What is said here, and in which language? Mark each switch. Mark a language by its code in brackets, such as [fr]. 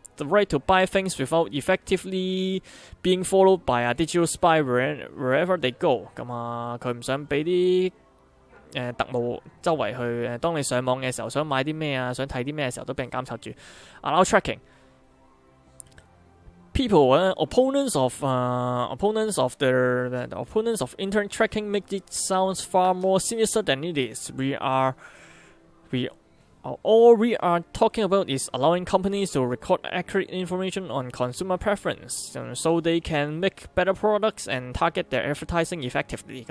[en] The right to buy things without effectively being followed by a digital spy wherever they go. [yue] 咁啊，佢唔想俾啲特务周围去。当你上网嘅时候，想买啲咩啊，想睇啲咩嘅时候，都俾人监察住。 [en] Allow tracking. People opponents of internet tracking make it sounds far more sinister than it is. All we are talking about is allowing companies to record accurate information on consumer preference, so they can make better products and target their advertising effectively.